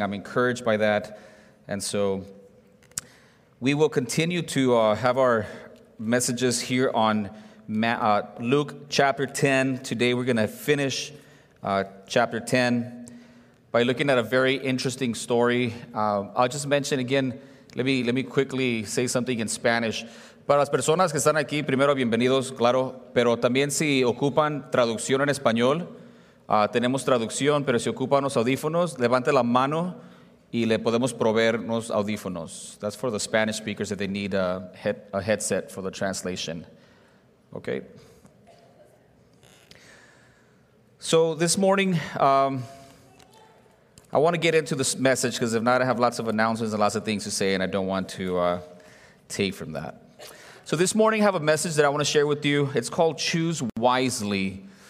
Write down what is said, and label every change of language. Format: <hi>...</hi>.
<en>I'm encouraged by that, and so we will continue to have our messages here on Luke chapter 10. Today we're going to finish chapter 10 by looking at a very interesting story. I'll just mention again, let me quickly say something in Spanish.</en> <es>Para las personas que están aquí, primero bienvenidos, claro, pero también si ocupan traducción en español, tenemos traducción, pero si ocupan los audífonos, levante la mano y le podemos proveer unos audífonos.</es> <en>That's for the Spanish speakers if they need a headset for the translation. Okay. So this morning, I want to get into this message because if not, I have lots of announcements and lots of things to say, and I don't want to take from that. So this morning, I have a message that I want to share with you. It's called Choose Wisely.</en>